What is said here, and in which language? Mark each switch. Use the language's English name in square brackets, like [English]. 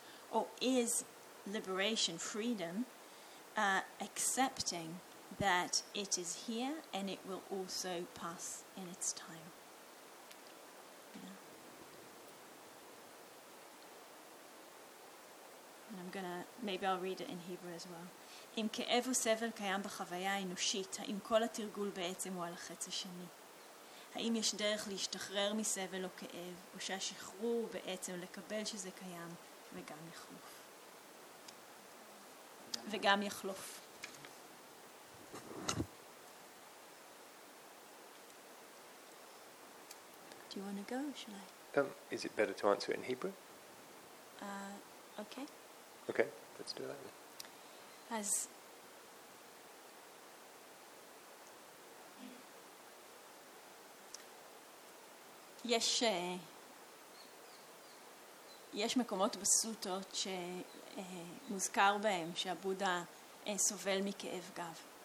[English] Or is liberation, freedom, accepting that it is here and it will also pass in its time? And I'm gonna, maybe I'll read it in Hebrew as well. [Hebrew] אם כאב וסבל קיים בחוויה האנושית, האם כל התרגול בעצם הוא על החץ השני? האם יש דרך להשתחרר מסבל או כאב, או שהשחרור בעצם לקבל שזה קיים וגם יחלוף? וגם יחלוף. [English] Do you want to go or shall I? Is it better to answer it in Hebrew? Okay. Okay, let's do that then. As [Hebrew] יש יש מקומות בסוטות שמוזכר בהם שהבודה סובל מכאב גב.